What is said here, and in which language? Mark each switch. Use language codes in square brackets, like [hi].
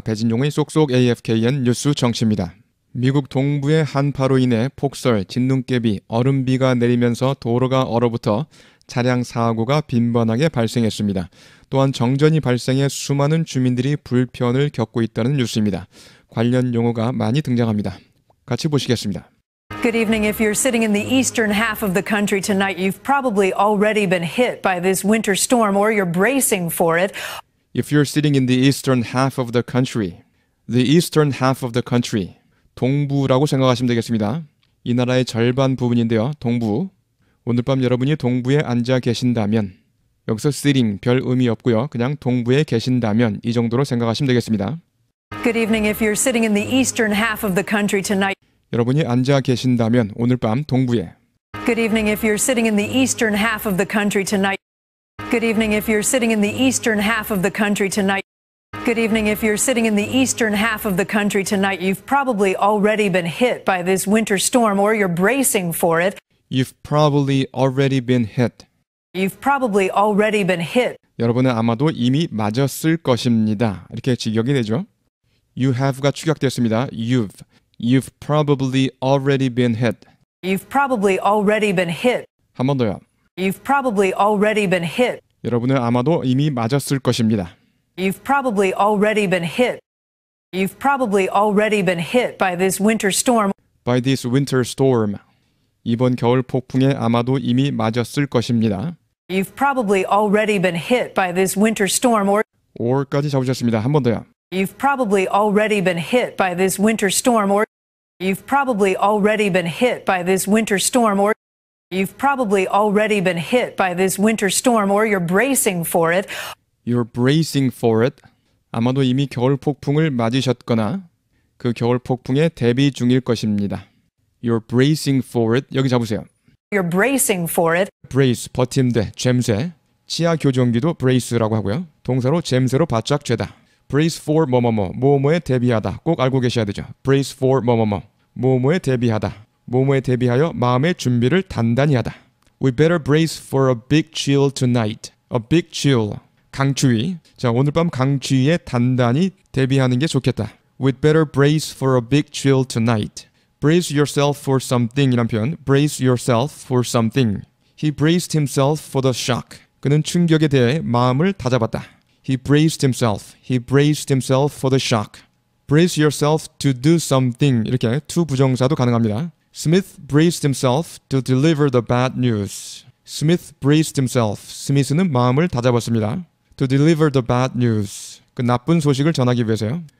[ko] 배진용의 쏙쏙 AFKN 뉴스 정치입니다. 미국 동부의 한파로 인해 폭설, 진눈깨비, 얼음비가 내리면서 도로가 얼어붙어 차량 사고가 빈번하게 발생했습니다. 또한 정전이 발생해 수많은 주민들이 불편을 겪고 있다는 뉴스입니다. 관련 용어가 많이 등장합니다. 같이 보시겠습니다. [en] Good evening. If you're sitting in the eastern half of the country tonight, you've probably already been hit by this winter storm or you're bracing for it. If you're sitting in the eastern half of the country, the eastern half of the country, [ko] 동부라고 생각하시면 되겠습니다. 이 나라의 절반 부분인데요. 동부. 오늘 밤 여러분이 동부에 앉아 계신다면, 여기서 sitting 별 의미 없고요. 그냥 동부에 계신다면 이 정도로 생각하시면 되겠습니다. [en] Good evening. If you're sitting in the eastern half of the country tonight, [ko] 여러분이 앉아 계신다면 오늘 밤 동부에. [en] Good evening. If you're sitting in the eastern half of the country tonight, Good evening if you're sitting in the eastern half of the country tonight. Good evening if you're sitting in the eastern half of the country tonight. You've probably already been hit by this winter storm or you're bracing for it. You've probably already been hit. You've probably already been hit. [ko] 여러분은 아마도 이미 맞았을 것입니다. 이렇게 직역이 되죠. You have가 추격됐습니다. [en] You've probably already been hit. You've probably already been hit. [ko] 한 번 더요. [en] You've probably already been hit. [ko] 여러분은 아마도 이미 맞았을 것입니다. [en] You've probably already been hit. You've probably already been hit by this winter storm. By this winter storm. [ko] 이번 겨울 폭풍에 아마도 이미 맞았을 것입니다. [en] You've probably already been hit by this winter storm or [ko] or까지 잡으셨습니다. 한 번 더요. [en] You've probably already been hit by this winter storm or You've probably already been hit by this winter storm or You've probably already been hit by this winter storm or you're bracing for it. You're bracing for it. [ko] 아마도 이미 겨울 폭풍을 맞으셨거나 그 겨울 폭풍에 대비 중일 것입니다. [en] You're bracing for it. [ko] 여기 잡으세요. [en] You're bracing for it. [ko] Brace, 버팀대, 잼쇠. 치아 교정기도 brace라고 하고요. 동사로 잼쇠로 바짝 죄다. Brace for 뭐뭐뭐, 뭐뭐에 대비하다. 꼭 알고 계셔야 되죠. Brace for 뭐뭐뭐, 뭐뭐에 대비하다. 뭐뭐에 대비하여 마음의 준비를 단단히 하다. [en] We better brace for a big chill tonight. A big chill. [ko] 강추위. 자, 오늘 밤 강추위에 단단히 대비하는 게 좋겠다. [en] We better brace for a big chill tonight. Brace yourself for something [ko] 이란 표현. [en] Brace yourself for something. He braced himself for the shock. [ko] 그는 충격에 대해 마음을 다잡았다. [en] He braced himself. He braced himself for the shock. Brace yourself to do something. [ko] 이렇게 to 부정사도 가능합니다. [en] Smith braced himself to deliver the bad news. Smith braced himself. [ko] 스미스는 마음을 다잡았습니다. [en] To deliver the bad news. [ko] 그 나쁜 소식을 전하기 위해서요.